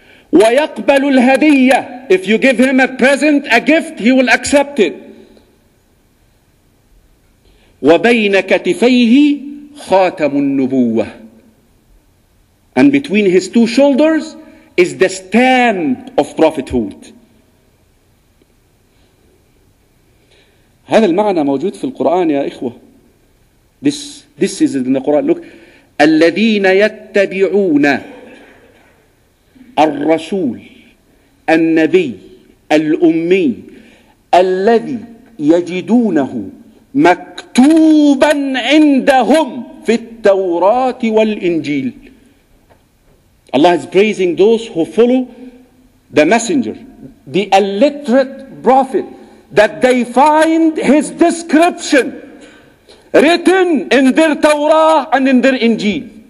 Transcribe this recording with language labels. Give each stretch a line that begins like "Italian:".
Arabic: ويقبل الهدية.
English: If you give him a present, a gift, he will accept it.
Arabic: وبين كتفيه خاتم النبوة.
English: And between his two shoulders is the stamp of prophethood.
Arabic: هذا المعنى موجود في القرآن يا إخوة.
English: This is in the Quran. Look.
Arabic: الذين يتبعون الرسول النبي الأمي الذي يجدونه مكتوبا عندهم في التوراة والإنجيل.
English: Allah is praising those who follow the messenger, the illiterate prophet, that they find his description written in their Torah and in their Injil.